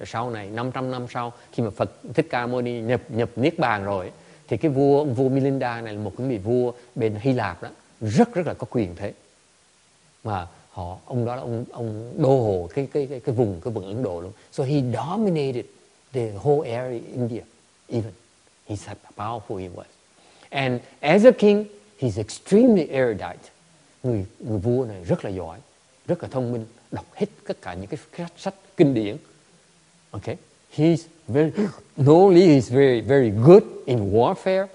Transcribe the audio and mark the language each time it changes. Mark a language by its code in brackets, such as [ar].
[vi] Sau này, 500 năm sau, khi mà Phật Thích Ca Mâu Ni nhập Niết Bàn rồi, thì cái vua Melinda này là một cái vị vua bên Hy Lạp đó, rất rất là có quyền thế. Mà ông đô hộ cái vùng Ấn Độ luôn. [en] So he dominated the whole area of India, even. He's how powerful he was. And as a king, he's extremely erudite. [vi] Người vua này rất là giỏi, rất là thông minh, đọc hết tất cả những cái sách kinh điển. [en] Okay, he's very, not only he's very very good in warfare,